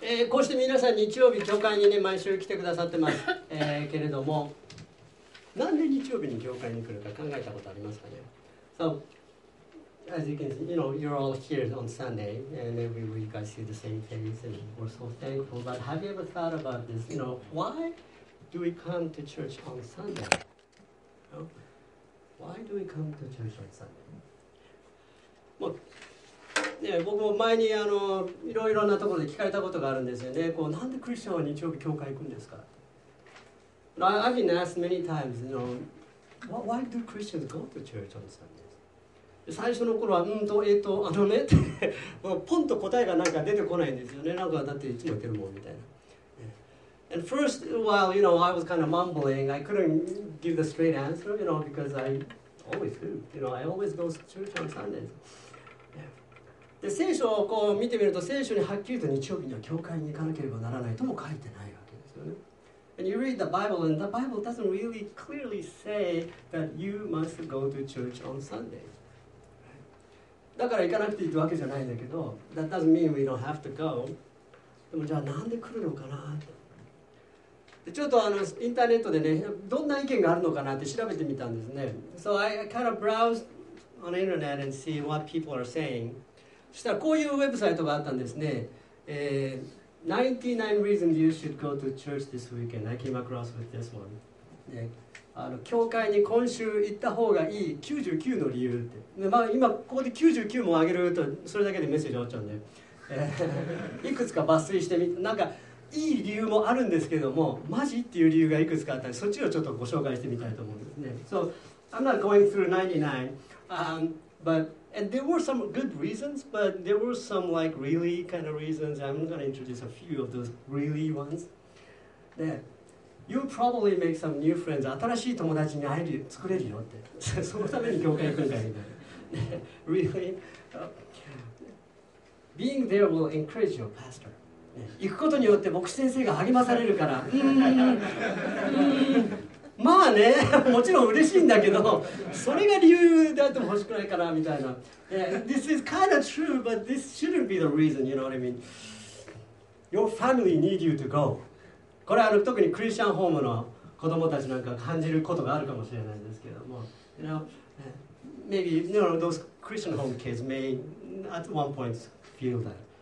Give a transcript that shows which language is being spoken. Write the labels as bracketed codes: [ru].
[ja] こうして皆さん日曜日教会にね毎週来てくださってます、けれども、なんで日曜日に教会に来るか考えたことありますかね。 [en] So as you can see, you know, you're all here on Sunday and every week I see the same things and we're so thankful. But have you ever thought about this? You know, why do we come to church on Sunday? You know, why do we come to church on Sunday? Look. [ja] ね、僕も前にあのいろいろなところで聞かれたことがあるんですよね。こうなんでクリスチャンは日曜日教会行くんですか。 [en] I've been asked many times, you know, why do Christians go to church on Sunday? [ja] 最初の頃はポンと答えがなんか出てこないんですよね。なんかだっていつも言ってるもんみたいな。 [en] And first while, you know, I was kind of mumbling, I couldn't give the straight answer, you know, because I always do. You know, I always go to church on Sundays. [ja] で聖書をこう見てみると聖書にはっきりと日曜日には教会に行かなければならないとも書いてないわけですよね。 [en] And you read the Bible and the Bible doesn't really clearly say that you must go to church on Sunday. [ja] だから行かなくていいってわけじゃないんだけど [en] That doesn't mean we don't have to go. [ja] でもじゃあなんで来るのかなって。でちょっとあのインターネットでねどんな意見があるのかなって調べてみたんですね。 [en] So I kind of browsed on the internet and see what people are saying. [ja] そしたらこういうウェブサイトがあったんですね。 [en] 99 reasons you should go to church this weekend. I came across with this one.、 [ja] ね、あの教会に今週行った方がいい99の理由って。でまあ、今ここで99も挙げるとそれだけでメッセージ終わっちゃうんで。いくつか抜粋してみて、なんかいい理由もあるんですけども、マジっていう理由がいくつかあったんで、そっちをちょっとご紹介してみたいと思うんですね。 [en] So, I'm not going through 99, but... And there were some good reasons, but there were some like really kind of reasons. I'm going to introduce a few of those really ones. Yeah. You'll probably make some new friends. [ja] 新しい友達に会える、作れるよって。そのために教会行くんだよ。 [en] Really? Being there will encourage your pastor. [ja] 行くことによって牧師先生が励まされるから。まあね、もちろん嬉しいんだけど、それが理由であっても欲しくないかなみたいな。 [en] Yeah, this is kind of true, but this shouldn't be the reason, you know what I mean? Your family need you to go. [ja] これは特にクリスチャンホームの子供たちなんか感じることがあるかもしれないんですけども。 [en] You know, maybe you know, those Christian home kids may at one point feel that.